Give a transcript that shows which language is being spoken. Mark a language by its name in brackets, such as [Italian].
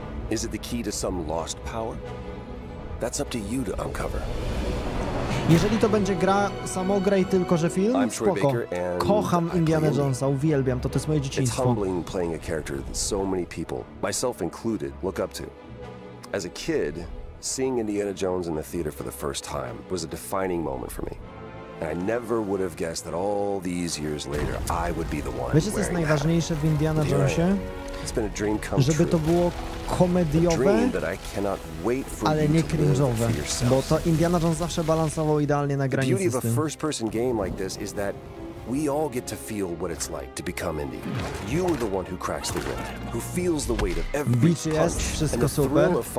[English] Is it the key to some lost power? That's up to you to uncover. [Polish] Jeżeli to będzie gra, samograj tylko, że film, spoko. Kocham Indiana Jonesa, uwielbiam to, to jest moje dzieciństwo. [English] It's humbling playing a character that so many people, myself included, look up to. As a kid, seeing Indiana Jones in the theater for the first time was a defining moment for me. And I never would have guessed that all these years later, I would be the one. [Polish] Wiecie, co jest najważniejsze w Indiana Jonesie? Żeby to było komediowe, ale nie cringe'owe, bo to Indiana Jones zawsze balansował idealnie na granicy z tym. Beachy jest, wszystko super.